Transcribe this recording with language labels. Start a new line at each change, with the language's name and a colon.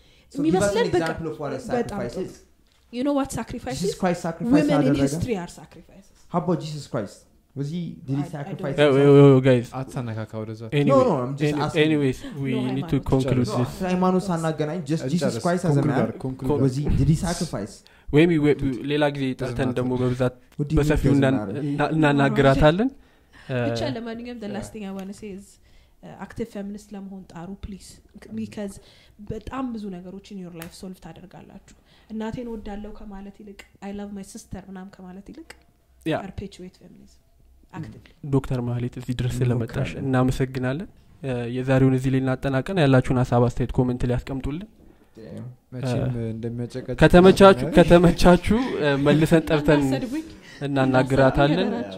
English: So give us an example of what a sacrifice is. You know what sacrifice Jesus Christ is? Sacrifice women in history are sacrifices. How about Jesus Christ? Was he, did he sacrifice? Guys. Anyway, no, I'm just asking. Anyways, we need to conclude this. Just Jesus Christ as a man. Was he, did he sacrifice?
Amharic: ወይም ሌላ ጊዜ ጠርተን ደግሞ በብዛት በሰፊው እናናግራታለን። ብቻ ለማንኛውም
English: the last thing I want to say is active feminist
Amharic: ለመሆን ጣሩ
English: please because
Amharic: በጣም ብዙ ነገሮች
English: in your life solve ታደርጋላችሁ።
Amharic: እናቴን ወዳለው ከማለት ይልቅ
English: I love my sister
Amharic: ምናም ከማለት ይልቅ
English: perpetuate feminism actively።
Amharic: ዶክተር ማህሌት እዚህ ድረስ ለመጣሽ እናመሰግናለን። የዛሬውን እዚህ ላይ እናጠናቀን ያላችሁን ሐሳብ አስተያየት ኮሜንት ላይ አስቀምጡልን። መቼም እንደሚያጨቀጭ ከተመቻቹ መልሰን ጠርተን እናናግራታለን።